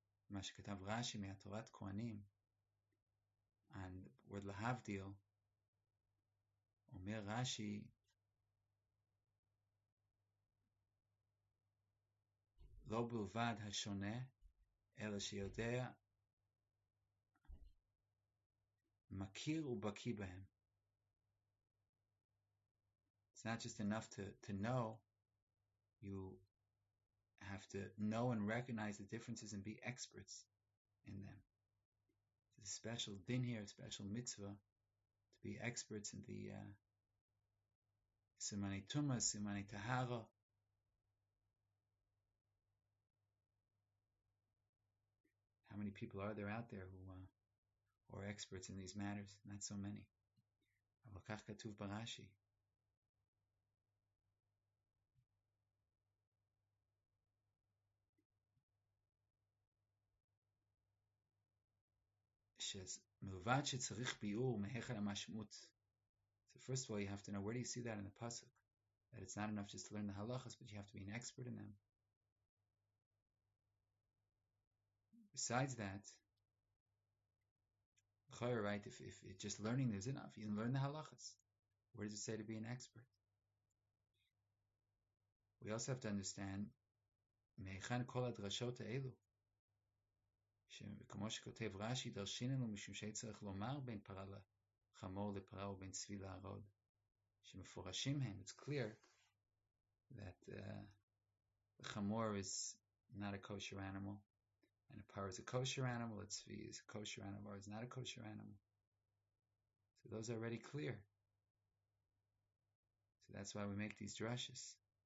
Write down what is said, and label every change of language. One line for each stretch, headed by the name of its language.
Hebrew: מה שכתב רשי מהתורת כהנים,
English: and word
Hebrew: להבדיל, אומר רשי, לא בלבד השונה, אלא שיודע, מכיר ובקי בהם.
English: It's not just enough to know, you have to know and recognize the differences and be experts in them. It's a special din here, a special mitzvah, to be experts in the simani tuma, simani tahara. How many people are there out there who are experts in these matters? Not so many.
Hebrew: Aval kach katuv barashi. שמלבד שצריך ביאור מהיכן המשמעות.
English: So first of all, you have to know, where do you see that in the pasuk? That it's not enough just to learn the halachas, but you have to be an expert in them. Besides that, Chaya, right, if it's just learning is enough, you can learn the halachas. Where does it say to be an expert? We also have to understand,
Hebrew: מהיכן כל הדרשות האלו? שכמו שכותב רשי, דרשיננו משום שצריך לומר בין פרה לחמור לפרה ובין צבי להרוד, שמפורשים הם.
English: It's clear that חמור is not a kosher animal, and a parah is a kosher animal, a צבי is a kosher animal, or is not a kosher animal. So those are already clear. So that's why we make these drashas.